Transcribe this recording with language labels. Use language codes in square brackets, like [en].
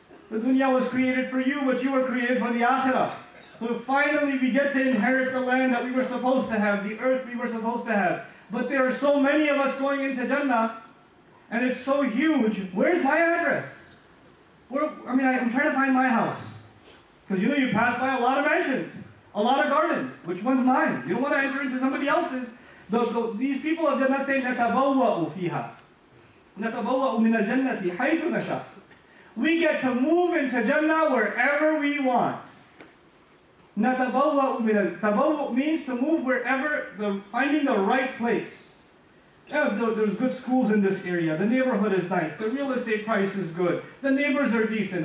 [en] The dunya was created for you, but you were created for the akhirah. So finally we get to inherit the land that we were supposed to have, the earth we were supposed to have. But there are so many of us going into Jannah, and it's so huge. Where's my address? I'm trying to find my house. Because you know you pass by a lot of mansions, a lot of gardens. Which one's mine? You don't want to enter into somebody else's. [ar] These people of Jannah say, نَتَبَوَّأُ فِيهَا نَتَبَوَّأُ مِنَ الْجَنَّةِ حَيْثُ نَشَأْ. [en] We get to move into Jannah wherever we want. [ar] نَتَبَوَّأُ مِنَ تَبَوَّأُ [en] means to move wherever, finding the right place. Yeah, there's good schools in this area. The neighborhood is nice. The real estate price is good. The neighbors are decent.